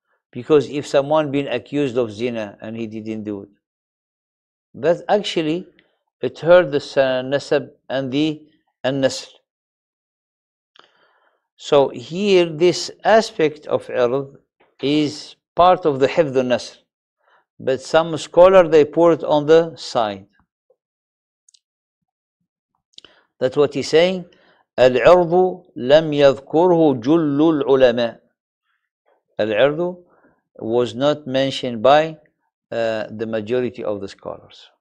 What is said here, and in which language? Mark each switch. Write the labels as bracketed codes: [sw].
[en] Because if someone been accused of zina and he didn't do it, that actually it hurt the nasab and the an-nasl. So here this aspect of irb is part of the hifdh al-nasr, but some scholar they put it on the side. That's what he's saying. [ar] العرض لم يذكره جل العلماء. [en] العرض was not mentioned by the majority of the scholars.